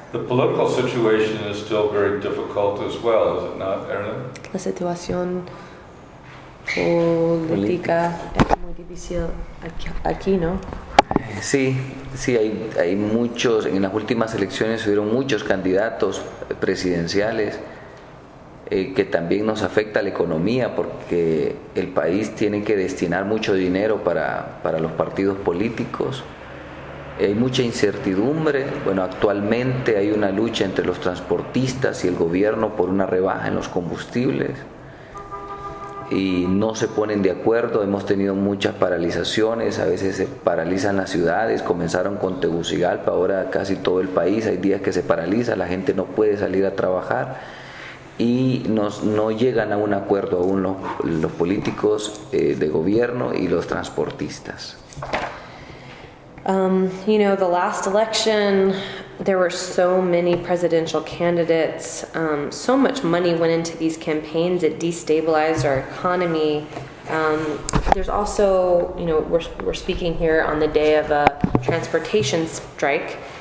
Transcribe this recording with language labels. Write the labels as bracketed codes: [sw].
[en] The political situation is still very difficult as well, is it not, Erin? [es] La situación política es muy difícil aquí, ¿no? Sí, sí, hay muchos. En las últimas elecciones hubieron muchos candidatos presidenciales que también nos afecta a la economía, porque el país tiene que destinar mucho dinero para los partidos políticos. Hay mucha incertidumbre. Bueno, actualmente hay una lucha entre los transportistas y el gobierno por una rebaja en los combustibles y no se ponen de acuerdo. Hemos tenido muchas paralizaciones, a veces se paralizan las ciudades, comenzaron con Tegucigalpa, ahora casi todo el país hay días que se paraliza, la gente no puede salir a trabajar y no llegan a un acuerdo aún los políticos de gobierno y los transportistas. [en] You know, the last election, there were so many presidential candidates. So much money went into these campaigns. It destabilized our economy. There's also, you know, we're speaking here on the day of a transportation strike.